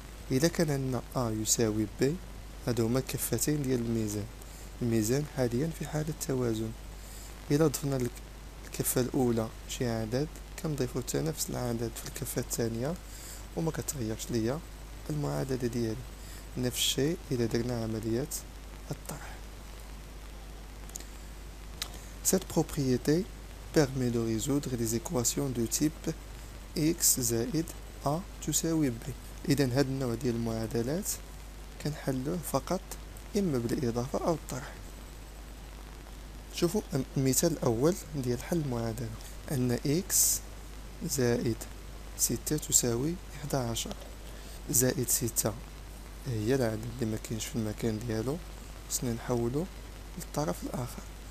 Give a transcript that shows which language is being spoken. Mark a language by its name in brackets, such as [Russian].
[Arabic] إذا كان عندنا A يساوي B، هادو هما الكفتين ديال الميزان، الميزان حاليا في حالة توازن. إذا ضفنا الكفة الأولى شي عدد، كنضيفو حتى نفس العدد في الكفة الثانية وما كتغيرش ليا المعادلة ديالي. نفس الشيء إذا درنا عملية الطرح. [French] Cette propriété permet de résoudre les équations de type x [Arabic] زائد a تساوي b. إذا هذا النوع ديال المعادلات كنحلوه فقط إما بالإضافة أو الطرح. شوفوا المثال الأول ديال حل المعادلة، أن x زائد 6 تساوي 11، زائد 6 هي العدد اللي ما كاينش في المكان ديالو، خصنا نحولو للطرف الآخر.